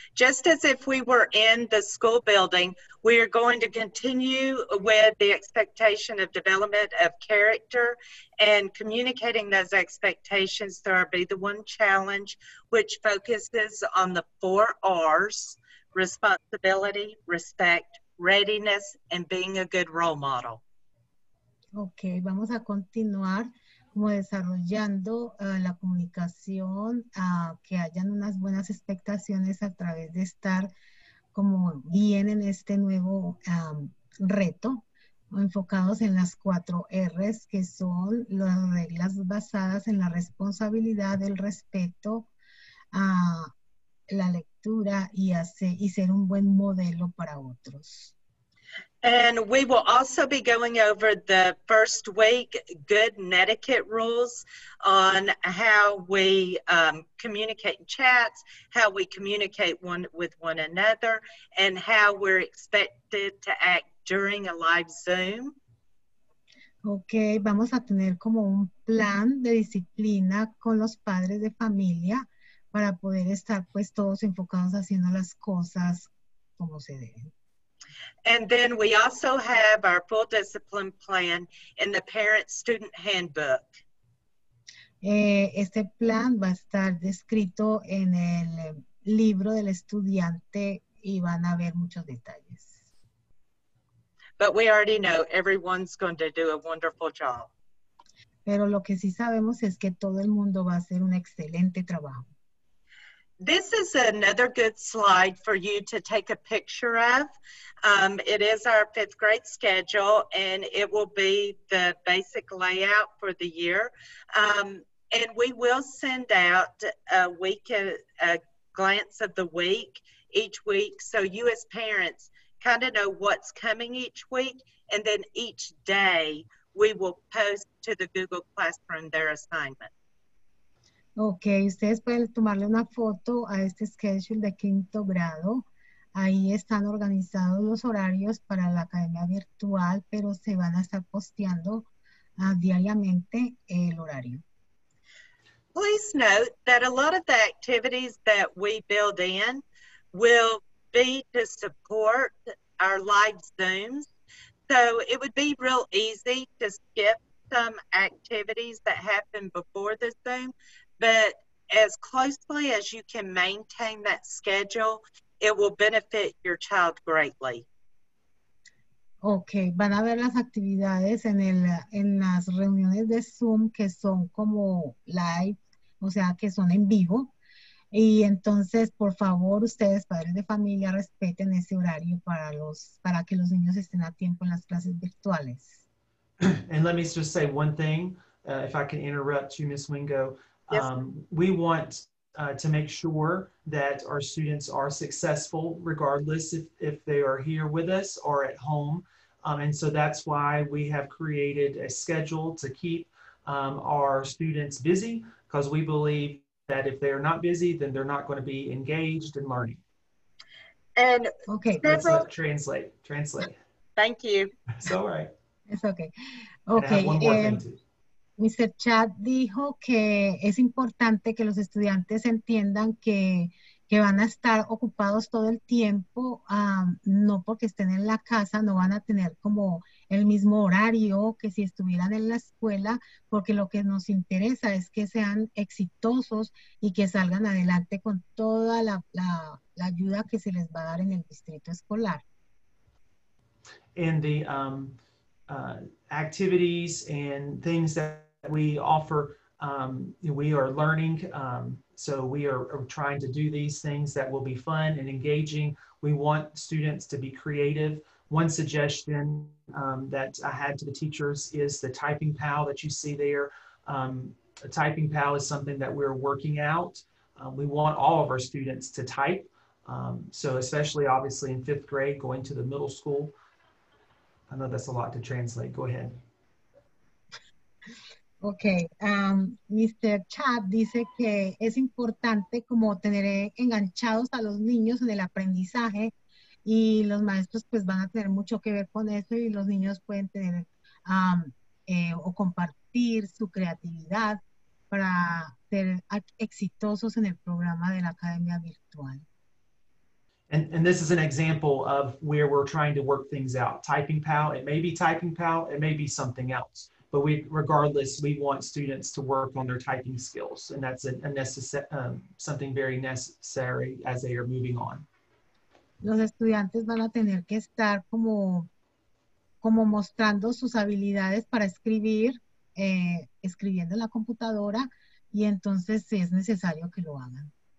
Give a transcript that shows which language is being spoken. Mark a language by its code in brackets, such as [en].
[en] Just as if we were in the school building, we are going to continue with the expectation of development of character and communicating those expectations through our Be the One Challenge, which focuses on the four R's: responsibility, respect, readiness, and being a good role model. [es] Okay, vamos a continuar como desarrollando la comunicación, que hayan unas buenas expectaciones a través de estar como bien en este nuevo reto, enfocados en las cuatro R's, que son las reglas basadas en la responsabilidad, el respeto, la lectura y ser un buen modelo para otros. [en] And we will also be going over the first week good netiquette rules on how we communicate in chats, how we communicate one with one another, and how we're expected to act during a live Zoom. [es] Okay, vamos a tener como un plan de disciplina con los padres de familia para poder estar pues todos enfocados haciendo las cosas como se deben. [en] And then we also have our full discipline plan in the parent-student handbook. [es] Este plan va a estar descrito en el libro del estudiante y van a ver muchos detalles. [en] But we already know everyone's going to do a wonderful job. [es] Pero lo que sí sabemos es que todo el mundo va a hacer un excelente trabajo. [en] This is another good slide for you to take a picture of. It is our fifth grade schedule, and it will be the basic layout for the year. And we will send out a week, a glance of the week each week, so you as parents kind of know what's coming each week, and then each day we will post to the Google Classroom their assignment. [es] Okay, ustedes pueden tomarle una foto a este schedule de quinto grado. Ahí están organizados los horarios para la academia virtual, pero se van a estar posteando diariamente el horario. [en] Please note that a lot of the activities that we build in will be to support our live Zooms. So it would be real easy to skip some activities that happen before the Zoom, but as closely as you can maintain that schedule, it will benefit your child greatly. [es] Okay, van a ver las actividades en las reuniones de Zoom que son como live, o sea, que son en vivo. Y entonces, por favor, ustedes, padres de familia, respeten ese horario para que los niños estén a tiempo en las clases virtuales. [en] And let me just say one thing, if I can interrupt you, Ms. Wingo. Yes. We want to make sure that our students are successful regardless if they are here with us or at home. And so that's why we have created a schedule to keep our students busy, because we believe that if they are not busy, then they're not going to be engaged in learning. And okay, let's translate. Thank you. It's all right. It's okay. Okay. And I have one more thing too. Mr. [es] Chad dijo que es importante que los estudiantes entiendan que van a estar ocupados todo el tiempo, no porque estén en la casa, no van a tener como el mismo horario que si estuvieran en la escuela, porque lo que nos interesa es que sean exitosos y que salgan adelante con toda la ayuda que se les va a dar en el distrito escolar. [en] And the activities and things that we offer, we are learning. So we are trying to do these things that will be fun and engaging. We want students to be creative. One suggestion that I had to the teachers is the typing pal that you see there. A typing pal is something that we're working out. We want all of our students to type. So especially obviously in fifth grade, going to the middle school. I know that's a lot to translate. Go ahead. Okay, Mr. [es] Chad dice que es importante como tener enganchados a los niños en el aprendizaje y los maestros pues van a tener mucho que ver con eso y los niños pueden tener o compartir su creatividad para ser exitosos en el programa de la academia virtual. [en] And this is an example of where we're trying to work things out. Typing Pal, it may be Typing Pal, it may be something else. But we, regardless, we want students to work on their typing skills, and that's a something very necessary as they are moving on. [es] Los estudiantes van a tener que estar como mostrando sus habilidades para escribir, escribiendo en la computadora, y entonces es necesario que lo hagan.